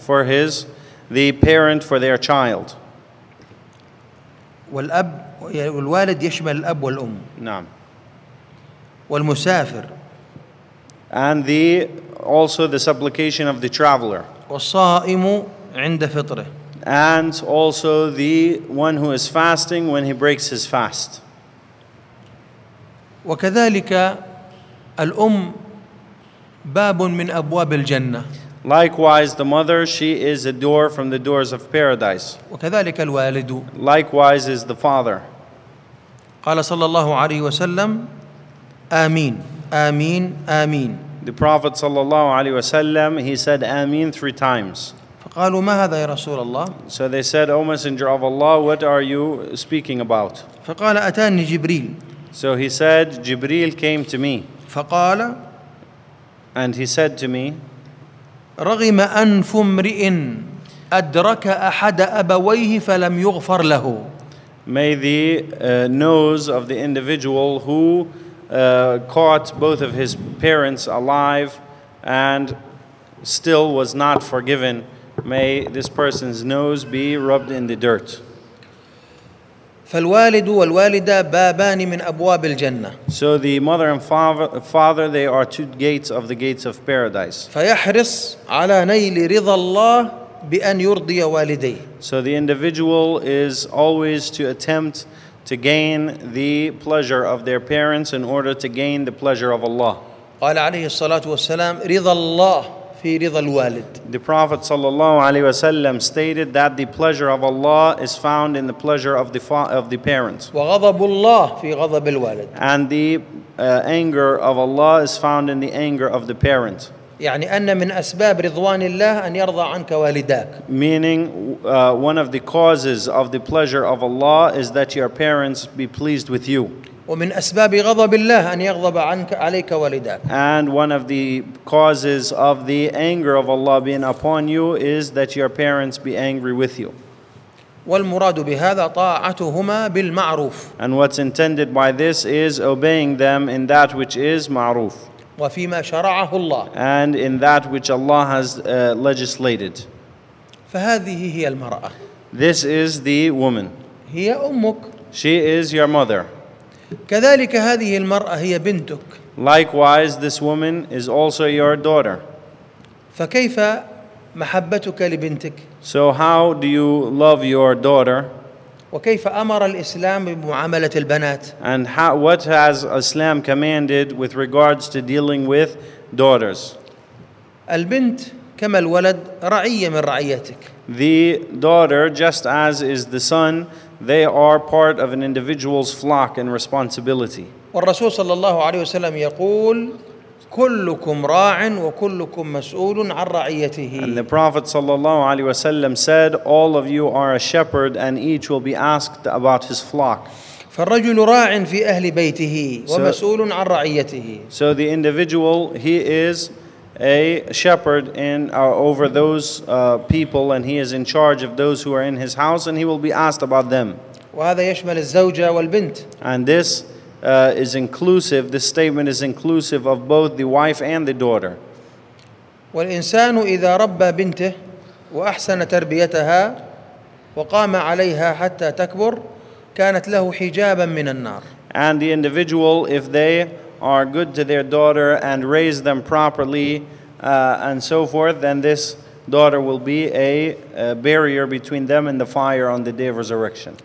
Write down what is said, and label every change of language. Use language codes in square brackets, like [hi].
[en] For his the parent for their child. [ar] والأب والوالد يشمل الأب والأم. نعم. والمسافر. [en] And the also the supplication of the traveler. [ar] والصائم عند فطره. [en] And also the one who is fasting when he breaks his fast. [ar] وكذلك الأم باب من أبواب الجنة. [en] Likewise, the mother, she is a door from the doors of paradise. [ar] وكذلك الوالد. [en] Likewise is the father. [ar] قال صلى الله عليه وسلم آمين آمين آمين. [en] The Prophet صلى الله عليه وسلم, he said آمين 3 times. [ar] فقالوا ما هذا يا رسول الله؟ [en] So they said, O Messenger of Allah, what are you speaking about? [ar] فقال أتاني جبريل. [en] So he said, Jibril came to me. [ar] فقال [en] And he said to me, [ar] رغم أنف امرئ أدرك أحد أبويه فلم يغفر له. [en] May the nose of the individual who caught both of his parents alive and still was not forgiven, may this person's nose be rubbed in the dirt. [ar] فالوالد والوالدة بابان من أبواب الجنة. [en] So the mother and father, they are 2 gates of the gates of paradise. [ar] فيحرص على نيل رضا الله بأن يرضي والديه. [en] So the individual is always to attempt to gain the pleasure of their parents in order to gain the pleasure of Allah. [ar] قال عليه الصلاة والسلام رضا الله في رضا الوالد. [en] The Prophet صلى الله عليه وسلم stated that the pleasure of Allah is found in the pleasure of the parents. [ar] وغضب الله في غضب الوالد. [en] And the anger of Allah is found in the anger of the parents. [ar] يعني أن من أسباب رضوان الله أن يرضى عنك والداك. [en] Meaning one of the causes of the pleasure of Allah is that your parents be pleased with you. [ar] ومن أسباب غضب الله أن يغضب عنك عليك والداك. [en] And one of the causes of the anger of Allah being upon you is that your parents be angry with you. [ar] والمراد بهذا طاعتهما بالمعروف. [en] And what's intended by this is obeying them in that which is معروف. [ar] وفيما شرعه الله. [en] And in that which Allah has legislated. [ar] فهذه هي المرأة. [en] This is the woman. [ar] هي أمك. [en] She is your mother. [ar] كذلك هذه المرأة هي بنتك. [en] Likewise, this woman is also your daughter. [ar] فكيف محبتك لبنتك؟ [en] So how do you love your daughter? [ar] وكيف أمر الإسلام بمعاملة البنات؟ [en] And how, what has Islam commanded with regards to dealing with daughters? [ar] البنت كما الولد رعية من رعيتك. [en] The daughter, just as is the son, they are part of an individual's flock and responsibility. [ar] والرسول صلى الله عليه وسلم يقول كلكم راع وكلكم مسؤول عن رعيته. [en] And the Prophet صلى الله عليه وسلم said, all of you are a shepherd and each will be asked about his flock. [ar] فالرجل راع في أهل بيته ومسؤول عن رعيته. [en] So the individual, he is a shepherd in over those people, and he is in charge of those who are in his house, and he will be asked about them. [ar] وهذا يشمل الزوجة والبنت. [en] And this is inclusive. This statement is inclusive of both the wife and the daughter. [ar] والإنسان إذا ربى بنته وأحسن تربيتها وقام عليها حتى تكبر كانت له حجابا من النار. [en] And the individual, if they are good to their daughter and raise them properly and so forth, then this daughter will be a barrier between them and the fire on the day of resurrection.